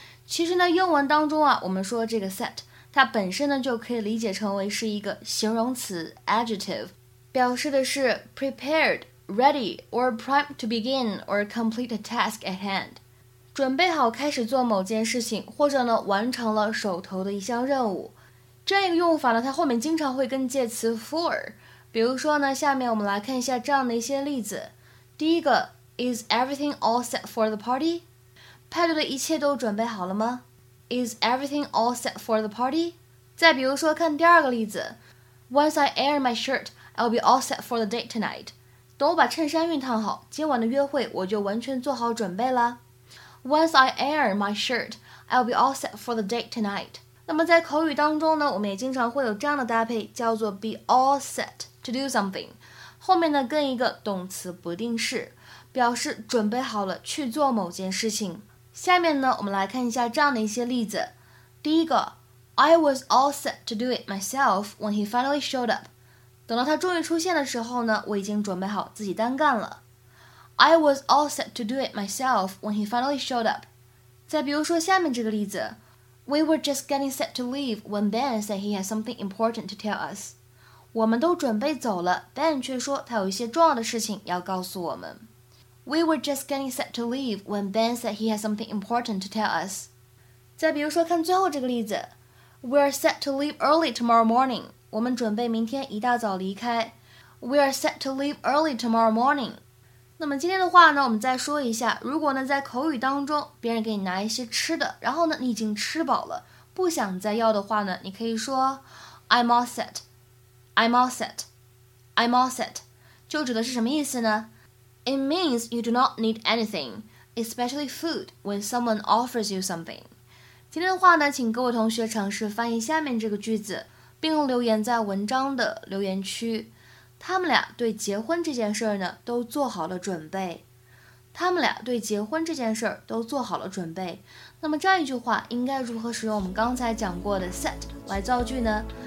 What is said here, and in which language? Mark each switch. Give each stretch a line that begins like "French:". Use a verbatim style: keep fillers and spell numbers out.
Chinese: 其实呢，英文当中啊，我们说这个 set 它本身呢就可以理解成为是一个形容词 adjective， 表示的是
English: prepared, ready or primed to begin or complete a task at hand，
Chinese: 准备好开始做某件事情，或者呢完成了手头的一项任务。这样一个用法呢，它后面经常会跟介词 for。比如说呢，下面我们来看一下这样的一些例子。第一个
English: ，Is everything all set for the party？
Chinese: 派对的一切都准备好了吗 ？
English: Is everything all set for the party？
Chinese: 再比如说，看第二个例子
English: ，Once I iron my shirt, I'll be all set for the date tonight。
Chinese: 等我把衬衫熨烫好，今晚的约会我就完全做好准备了。
English: Once I iron my shirt, I'll be all set for the date tonight。
Chinese: 那么在口语当中呢，我们也经常会有这样的搭配，叫做
English: be all set to do something，
Chinese: 后面呢跟一个动词不定式，表示准备好了去做某件事情。下面呢，我们来看一下这样的一些例子。第一个
English: ，I was all set to do it myself when he finally showed up。
Chinese: 等到他终于出现的时候呢，我已经准备好自己单干了。
English: I was all set to do it myself when he finally showed up。
Chinese: 再比如说下面这个例子。
English: We were just getting set to leave when Ben said he had something important to tell us.
Chinese: 我们都准备走了 Ben 却说他有一些重要的事情要告诉我们。
English: We were just getting set to leave when Ben said he had something important to tell us.
Chinese: 再比如说看最后这个例子
English: We are set to leave early tomorrow morning.
Chinese: 我们准备明天一大早离开。
English: We are set to leave early tomorrow morning.
Chinese: 那么今天的话呢，我们再说一下，如果呢在口语当中别人给你拿一些吃的，然后呢你已经吃饱了不想再要的话呢，你可以说
English: I'm all set I'm all set
Chinese: I'm all set， 就指的是什么意思呢？
English: It means you do not need anything, especially food, when someone offers you something。
Chinese: 今天的话呢，请各位同学尝试翻译下面这个句子，并留言在文章的留言区。他们俩对结婚这件事呢都做好了准备。他们俩对结婚这件事都做好了准备。那么这样一句话应该如何使用我们刚才讲过的 set 来造句呢？